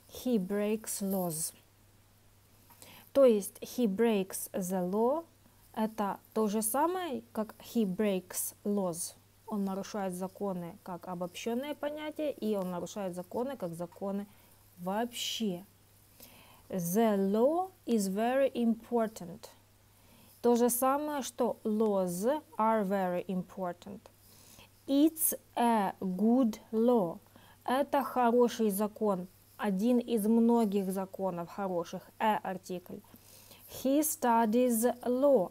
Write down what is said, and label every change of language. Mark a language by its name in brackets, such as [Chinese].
[English] He breaks laws. [Russian] То есть [English] he breaks the law [Russian] это то же самое, как [English] he breaks laws. [Russian] Он нарушает законы как обобщенное понятие, и он нарушает законы как законы вообще. [English] The law is very important. [Russian] То же самое, что [English] laws are very important. It's a good law. [Russian] Это хороший закон. Один из многих законов хороших. [English] A артикль. He studies law.